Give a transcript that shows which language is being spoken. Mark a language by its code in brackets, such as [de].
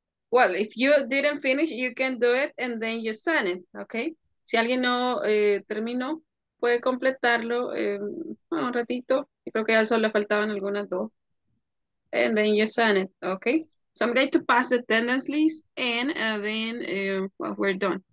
[en] Well, if you didn't finish, you can do it and then you send it, okay? [es] Si alguien no terminó, puede completarlo un ratito. Creo que ya solo faltaban algunas dos. [en] And then you send it, okay? So I'm going to pass the attendance list and then we're done.